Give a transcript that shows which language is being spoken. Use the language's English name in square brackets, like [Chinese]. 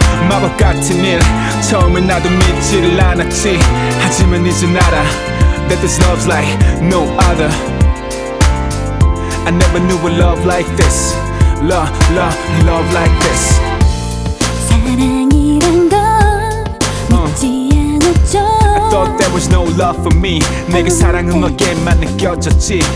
[Korean] 마법 같은 일 처음엔 나도 믿지를 않았지. 하지만 이젠 알아 [English] that this love's like no other. I never knew a love like this. Love, love, love like this. [Korean] 사랑이란 걸 믿지 않았죠. [English] I thought there was no love for me. [Korean] 내게 사랑은 너에게만 느껴졌지.